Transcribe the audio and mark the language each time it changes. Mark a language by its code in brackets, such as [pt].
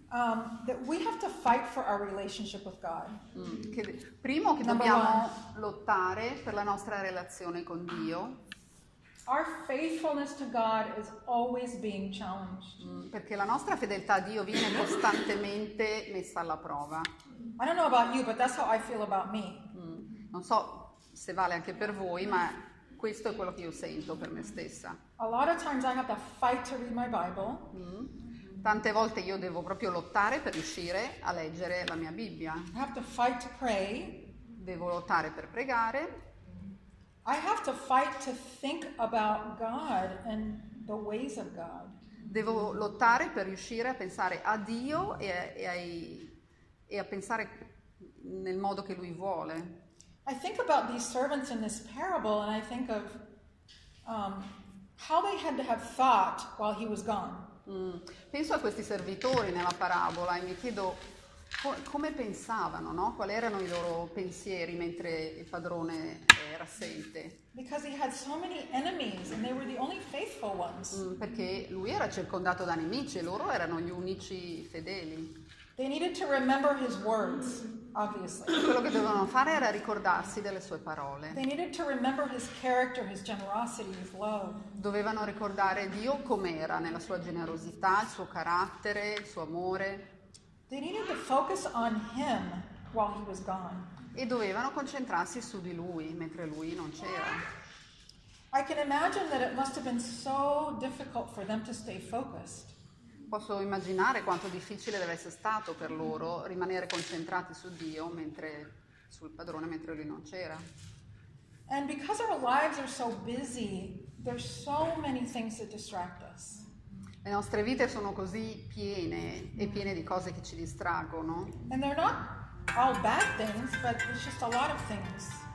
[en] That we have to fight for our relationship with God. [it] Primo, che dobbiamo lottare per la nostra relazione con Dio. [en] Our faithfulness to God is always being challenged. [it] Perché la nostra fedeltà a Dio viene costantemente messa alla prova. [en] I don't know about you, but that's how I feel about me. [it] Non so se vale anche per voi, ma questo è quello che io sento per me stessa. [en] A lot of times I have to fight to read my Bible. [it] Tante volte io devo proprio lottare per riuscire a leggere la mia Bibbia. [en] I have to fight to pray. [it] Devo lottare per pregare. [en] I have to fight to think about God and the ways of God. [it] Devo lottare per riuscire a pensare a Dio e a pensare nel modo che Lui vuole. [en] I think about these servants in this parable and I think of how they had to have thought while he was gone. [it] Penso a questi servitori nella parabola e mi chiedo come pensavano, no? Quali erano i loro pensieri mentre il padrone era assente? [en] Because he had so many enemies and they were the only faithful ones. [it] Perché lui era circondato da nemici e loro erano gli unici fedeli. [en] They needed to remember his words, obviously. [it] Quello che dovevano fare era ricordarsi delle sue parole. [en] They needed to remember his character, his generosity, his love. [it] Dovevano ricordare Dio com'era nella sua generosità, il suo carattere, il suo amore. [en] They needed to focus on him while he was gone. [it] E dovevano concentrarsi su di lui mentre lui non c'era. [en] I can imagine that it must have been so difficult for them to stay focused. [it] Posso immaginare quanto difficile deve essere stato per loro rimanere concentrati su Dio mentre sul padrone mentre lui non c'era. [en] And because our lives are so busy, there's so many things that distract us. [it] Le nostre vite sono così piene e piene di cose che ci distraggono. [en] And they're not all bad things, but it's just a lot of things.